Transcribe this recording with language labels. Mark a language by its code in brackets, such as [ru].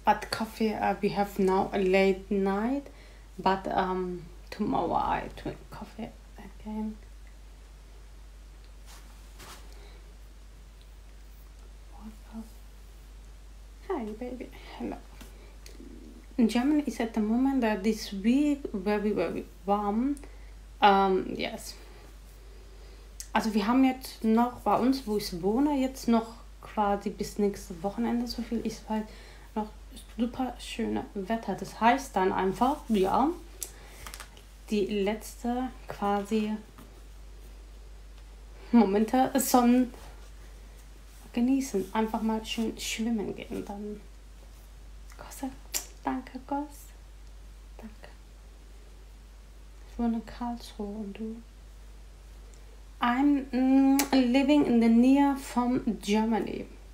[en] But coffee, we have now a late night. But tomorrow I drink coffee again. Hi baby, hello. In Germany is at the moment that this week very very warm. Yes. [de] Also wir haben jetzt noch bei uns, wo ich wohne, jetzt noch quasi bis nächstes Wochenende, so viel ist halt noch super schönes Wetter. Das heißt dann einfach, ja, die letzte quasi Momente Sonne genießen. Einfach mal schön schwimmen gehen dann. Danke, Goss. Danke. Ich wohne in Karlsruhe und du? [en] I'm living in the near from Germany.